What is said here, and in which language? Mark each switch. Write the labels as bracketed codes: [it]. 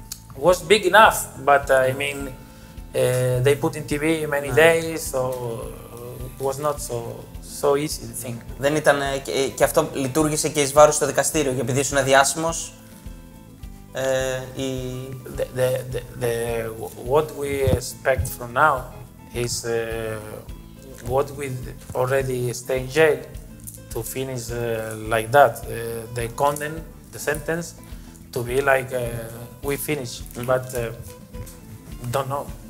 [en] It was big enough, but I mean, they put in TV many days, so it was not so easy the thing. [el] Δεν ήταν και αυτό λειτουργήσε και εις βάρος στο δικαστήριο, γιατί επειδή ήσουν διάσημος. [en] The what we expect from now is what we already stay in jail to finish like that. The condemn, the sentence to be like we finish, but don't know.